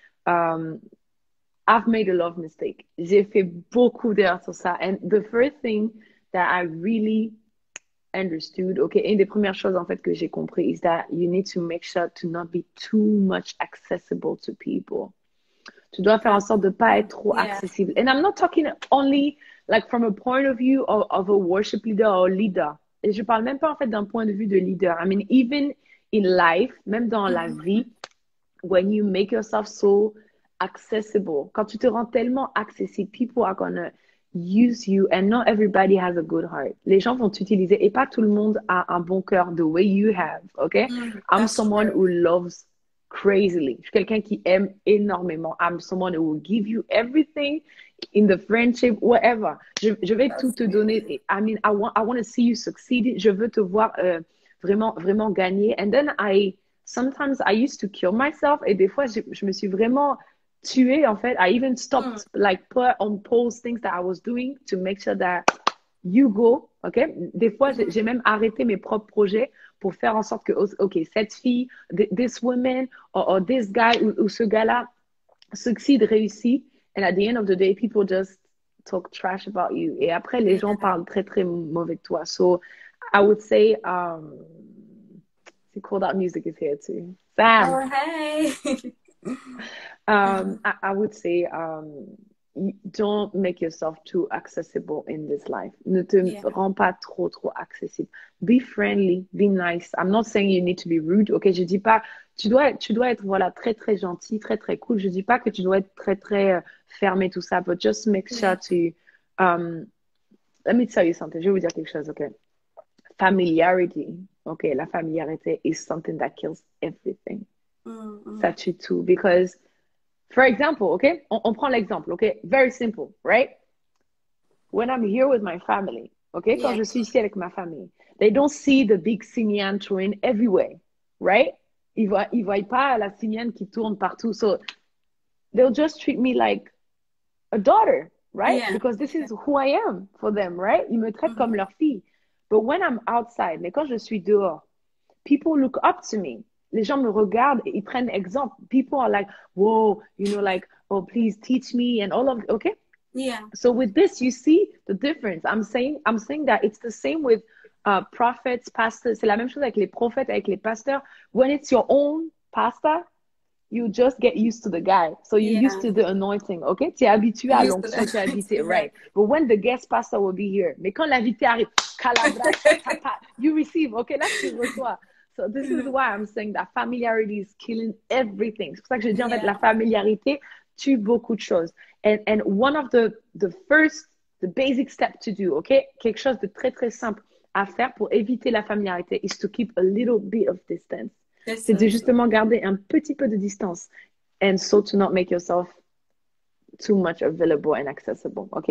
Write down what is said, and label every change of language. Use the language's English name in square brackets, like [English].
[English] I've made a lot of mistakes. [French] J'ai fait beaucoup d'erreurs sur ça. [English] And the first thing that I really understood, okay, [French] une des premières choses, en fait, que j'ai compris, [English] is that you need to make sure to not be too much accessible to people. [French] Tu dois faire en sorte de ne pas être trop accessible. [English] And I'm not talking only like from a point of view of a worship leader or leader. [French] Et je ne parle même pas en fait d'un point de vue de leader. [English] I mean, even in life, [French] même dans la vie, [English] when you make yourself so accessible, [French] quand tu te rends tellement accessible, [English] people are gonna use you and not everybody has a good heart. [French] Les gens vont t'utiliser et pas tout le monde a un bon cœur [English] the way you have. [French] Okay? I'm [English] That's someone true. who loves crazily. [French] Je suis quelqu'un qui aime énormément. [English] I'm someone who will give you everything in the friendship, whatever. [French] Je vais tout te donner. [English] I mean, I want to see you succeed. [French] Je veux te voir vraiment, vraiment gagner. [English] And then sometimes I used to kill myself. [French] Et des fois, je me suis vraiment tuée, en fait. [English] I even stopped, like, put on pause things that I was doing to make sure that you go. [French] Okay? Des fois, j'ai même arrêté mes propres projets pour faire en sorte que, OK, cette fille, [English] this woman, or this guy, [French] ou ce gars-là, succède, réussit. [English] And at the end of the day, people just talk trash about you. [French] Et après, les gens parlent très, très mauvais de toi. [English] So, I would say, [French] c'est cool [English] that music is here too. Sam! I would say, don't make yourself too accessible in this life. [French] Ne te rends pas trop, trop accessible. [English] Be friendly, be nice. I'm not saying you need to be rude, ok? [French] Je dis pas, tu dois être, voilà, très, très gentil, très, très cool. Je dis pas que tu dois être très, très fermé, tout ça, [English] but just make sure to, let me tell you something. [French] Je vais vous dire quelque chose, ok? [English] Familiarity, ok? [French] La familiarité [English] is something that kills everything. [French] Ça tue tout, [English] because for example, okay, [French] on prend l'exemple, [English] okay, very simple, right? When I'm here with my family, okay, [French] quand je suis ici avec ma famille, [English] they don't see the big Simiane train everywhere, right? [French] Ils voient pas la Simiane qui tourne partout, [English] so they'll just treat me like a daughter, right? Because this is who I am for them, right? [French] Ils me traitent comme leur fille. [English] But when I'm outside, [French] mais quand je suis dehors, [English] people look up to me. [French] Les gens me regardent et ils prennent exemple. [English] People are like, whoa, you know, like, oh, please teach me and all of, okay? So with this, you see the difference. I'm saying that it's the same with prophets, pastors. [French] C'est la même chose avec les prophètes, avec les pasteurs. [English] When it's your own pastor, you just get used to the guy. So you're used to the anointing, okay? [French] Tu es habitué à l'onction, tu es habitué, right? [English] But when the guest pastor will be here, [French] mais quand l'invité arrive, [English] calabra, tata, you receive, okay? [French] Là, tu reçois. [English] So this is why I'm saying that familiarity is killing everything. [French] C'est pour ça que je dis, en fait, la familiarité tue beaucoup de choses. [English] And one of the first, the basic step to do, OK? [French] Quelque chose de très, très simple à faire pour éviter la familiarité [English] is to keep a little bit of distance. [French] C'est de justement garder un petit peu de distance. [English] And so to not make yourself too much available and accessible, OK?